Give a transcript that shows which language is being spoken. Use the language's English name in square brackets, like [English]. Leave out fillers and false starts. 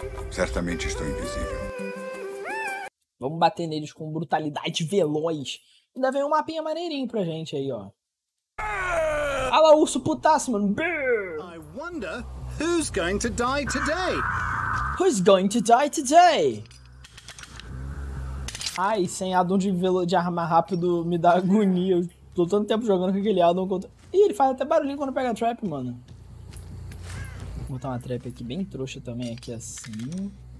[Portuguese] Certamente estou invisível. Vamos bater neles com brutalidade veloz. Ainda vem um mapinha maneirinho pra gente aí, ó. Olha lá, urso putaço, mano. [English] I wonder who's going to die today? Who's going to die today? [Portuguese] Ai, sem addon de arma rápido me dá agonia. Tô tanto tempo jogando com aquele addon contra... Ih, ele faz até barulhinho quando pega a trap, mano. Vou botar uma trap aqui bem trouxa também, aqui assim.